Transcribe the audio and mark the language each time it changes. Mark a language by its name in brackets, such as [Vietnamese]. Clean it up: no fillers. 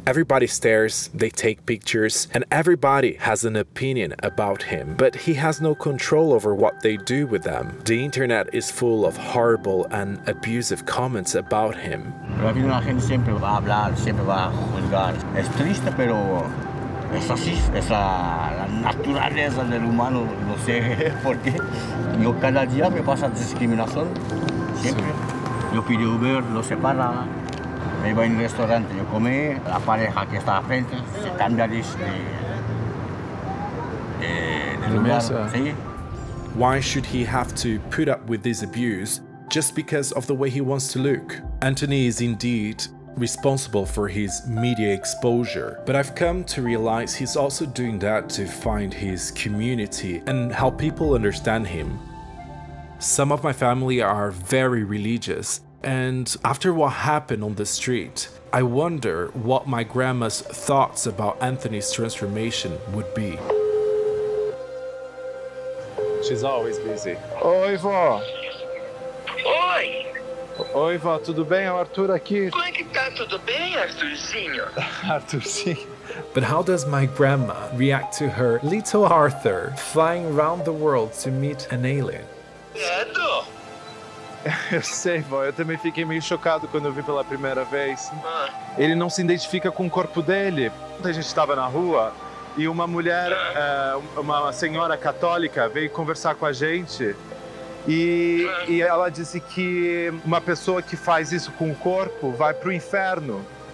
[English] Everybody stares, they take pictures, and everybody has an opinion about him. But he has no control over what they do with them. The internet is full of horrible and abusive comments about him. [Spanish] La gente siempre va a hablar, siempre va a juzgar. Es triste, pero es así, es la naturaleza del humano. No sé por qué. Yo cada día me pasa discriminación. Siempre. Yo pido Uber, lo separa. Me voy a un restaurante, yo comí, la pareja que está frente se cambia de lugar. Mesa. ¿Sí? [English] Why should he have to put up with this abuse just because of the way he wants to look? Anthony is indeed responsible for his media exposure. But I've come to realize he's also doing that to find his community and help people understand him. Some of my family are very religious, and after what happened on the street, I wonder what my grandma's thoughts about Anthony's transformation would be. She's always busy. [Portuguese] Oi, vó. Oi. Oi, vó, tudo bem? É o Arthur aqui. Como é que tá? Tudo bem, Arthurzinho? Arthurzinho. [English] But how does my grandma react to her little Arthur flying around the world to meet an alien? Edo. [Portuguese] Eu sei, vó. Eu também fiquei meio chocado quando eu vi pela primeira vez. Ah. Ele não se identifica com o corpo dele. A gente estava na rua e uma mulher, uma senhora católica, veio conversar com a gente. E ela disse que uma pessoa que faz isso com o corpo vai pro inferno.